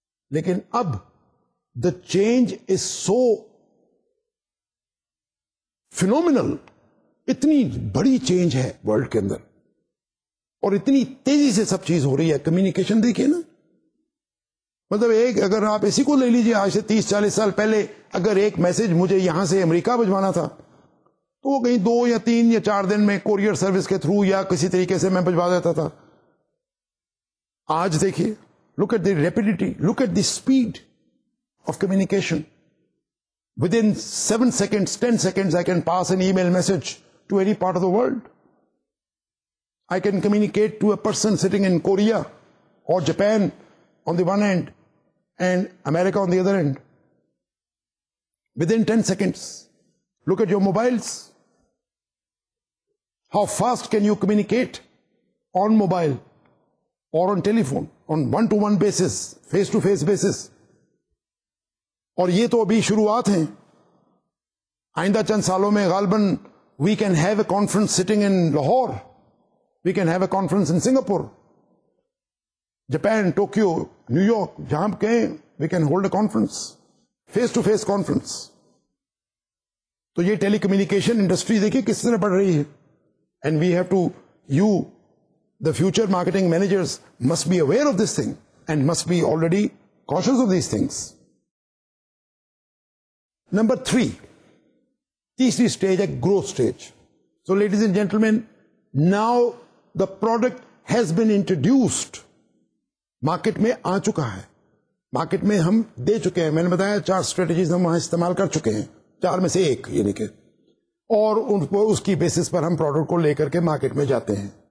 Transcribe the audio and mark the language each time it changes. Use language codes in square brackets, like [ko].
[ur] لیکن اب [en] the change is so phenomenal, [ur] اتنی بڑی چینج ہے ورلڈ کے اندر اور اتنی تیزی سے سب چیز ہو رہی ہے. کمیونیکیشن دیکھیں نا, مطلب ایک اگر آپ اسی کو لے لیجیے, آج سے 30-40 سال پہلے اگر ایک میسج مجھے یہاں سے امریکہ بھجوانا تھا تو وہ کہیں 2 یا 3 یا 4 دن میں کوریئر سروس کے تھرو یا کسی طریقے سے میں بھجوا دیتا تھا. آج دیکھیے, [en] Look at the rapidity, look at the speed of communication. Within 7 seconds 10 seconds I can pass an email message to any part of the world. I can communicate to a person sitting in Korea or Japan on the one end and America on the other end within 10 seconds. Look at your mobiles. How fast can you communicate on mobile or on telephone on one-to-one basis, face-to-face basis? [ur] اور یہ تو ابھی شروعات ہیں. آئندہ چند سالوں میں غالباً [en] we can have a conference sitting in Lahore, we can have a conference in Singapore, Japan, Tokyo, New York, [ur] جہاں کہیں [en] we can hold a conference, face-to-face conference. [ur] تو یہ ٹیلی کمیونیکیشن انڈسٹری دیکھیے کس طرح بڑھ رہی ہے. [en] And we have to, you the future marketing managers must be aware of this thing and must be already conscious of these things. [ur] Number 3, تیسری stage ہے growth stage. [en] so ladies and gentlemen, now the product has been introduced, [ur] market میں آ چکا ہے, market میں ہم دے چکے ہیں. میں نے بتایا 4 اسٹریٹجیز ہم وہاں استعمال کر چکے ہیں, 4 میں سے 1 یعنی کہ, اور اس کی بیسس پر ہم پروڈکٹ کو لے کر کے مارکیٹ میں جاتے ہیں.